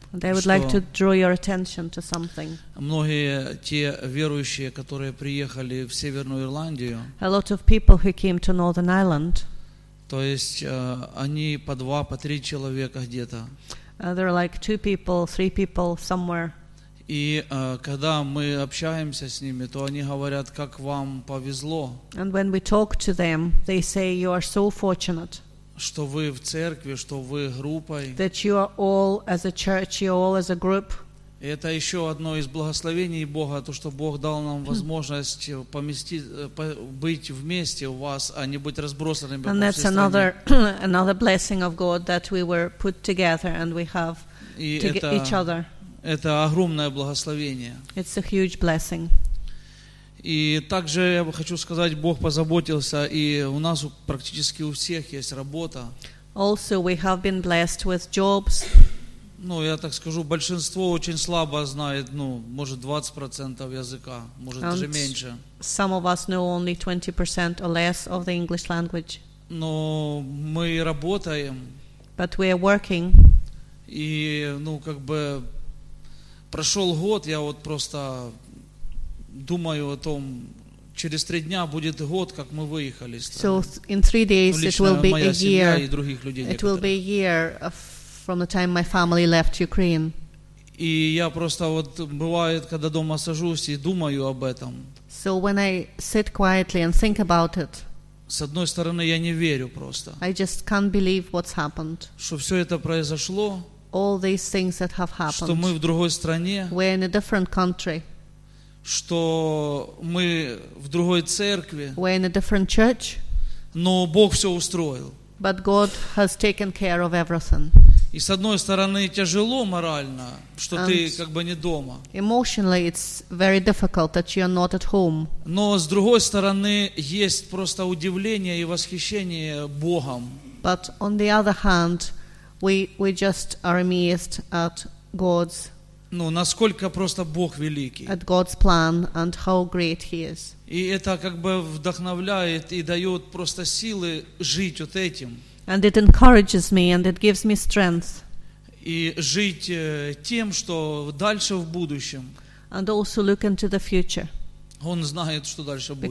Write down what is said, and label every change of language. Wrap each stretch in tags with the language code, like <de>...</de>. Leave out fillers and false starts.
<en>And I would like to draw your attention to something.</en> <ru>Многие те верующие, которые приехали в Северную Ирландию.</ru> <en>A lot of people who came to Northern Ireland.</en> <ru>То есть они по два, по три человека где-то.</ru> <en>There are like two people, three people somewhere.</en> <ru>И когда мы общаемся с ними, то они говорят, как вам повезло.</ru> <en>And when we talk to them, they say you are so fortunate.</en> <ru>Что вы в церкви, что вы группой.</ru> <en>That you are all as a church, you are all as a group.</en> <ru>И это еще одно из благословений Бога, то, что Бог дал нам возможность быть вместе у вас, а не быть разбросанными.</ru> <en>And that's another blessing of God that we were put together and we have each other.</en> <ru>Это огромное благословение.</ru> <en>It's a huge blessing.</en> <ru>И также я бы хочу сказать, Бог позаботился, и у нас практически у всех есть работа.</ru> <en>Also, we have been blessed with jobs.</en> <ru>Ну, я так скажу, большинство очень слабо знает, ну, может, 20% языка, может,</ru> <en>and</en> <ru>даже меньше.</ru> <en>Some of us know only 20% or less of the English language.</en> <ru>Но мы работаем.</ru> <en>But we are working.</en> <ru>И, ну, как бы, прошел год, я вот просто думаю о том, через три дня будет год, как мы выехали.</ru> <en>So in three days it will be a year.</en> <ru>И других людей.</ru> <en>It will be a year from the time my family left Ukraine.</en> <ru>И я просто вот бывает, когда дома сажусь и думаю об этом.</ru> <en>So when I sit quietly and think about it.</en> <ru>С одной стороны, я не верю просто.</ru> <en>I just can't believe what's happened.</en> <ru>Что все это произошло.</ru> <en>All these things that have happened.</en> <ru>Что мы в другой стране.</ru> <en>We're in a different country.</en> <ru>Что мы в другой церкви.</ru> <en>We're in a different church.</en> <ru>Но Бог все устроил.</ru> <en>But God has taken care of everything.</en> <ru>И с одной стороны тяжело морально, что</ru> <en>and</en> <ru>ты как бы не дома.</ru> <en>Emotionally it's very difficult that you're not at home.</en> <ru>Но с другой стороны есть просто удивление и восхищение Богом.</ru> <en>But on the other hand, we just are amazed at God's.</en> <ru>Ну, насколько просто Бог великий.</ru> <en>At God's plan and how great He is.</en> <ru>И это как бы вдохновляет и дает просто силы жить вот этим.</ru> <en>And it encourages me and it gives me strength.</en> <ru>И жить тем, что дальше в будущем.</ru> <en>And also look into the future.</en> <ru>Он знает, что дальше будет.</ru>